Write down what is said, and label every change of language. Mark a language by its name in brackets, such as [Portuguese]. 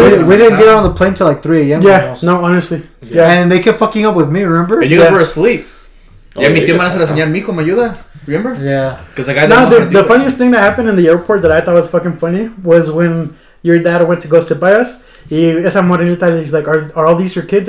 [English] We didn't get on the plane till like 3 a.m. Yeah, almost. No, honestly. Yeah. And they kept fucking up with me, remember? And you guys were asleep. [Spanish] Yeah, mi tío me hace la señal, mijo, ¿me ayudas? [English] Remember? Yeah. Because like, I got the funniest thing that happened in the airport that I thought was fucking funny was when your dad went to go sit by us. [Spanish] Y esa morenita, [English] he's like, are all these your kids?